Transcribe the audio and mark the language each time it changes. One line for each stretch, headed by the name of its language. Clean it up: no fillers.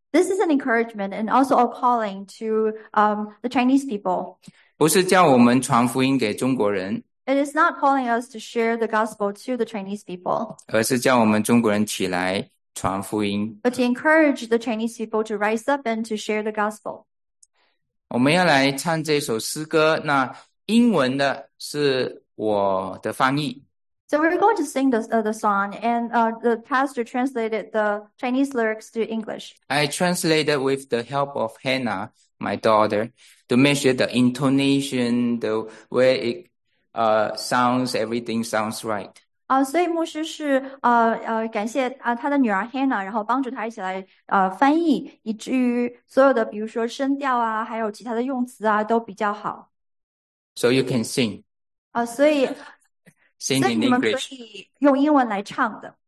English: This is an encouragement and also a calling to the Chinese people.
Chinese: 不是叫我们传福音给中国人。
English: It is not calling us to share the gospel to the Chinese people.
Chinese: 而是叫我们中国人起来传福音。
English: But to encourage the Chinese people to rise up and to share the gospel.
Chinese: 我们要来唱这首诗歌，那英文的是我的翻译。
English: So we're going to sing the song, and the pastor translated the Chinese lyrics to English. I translated with the help of Hannah, my daughter, to measure the intonation, the way it sounds, everything sounds right.
Chinese: 所以牧师是感谢他的女儿 Hannah, 然后帮助他一起来翻译，以至于所有的比如说声调啊，还有其他的用词啊都比较好。
English: So you can sing.
Chinese: 所以
English: sing in English.
Chinese: 所以你们可以用英文来唱的。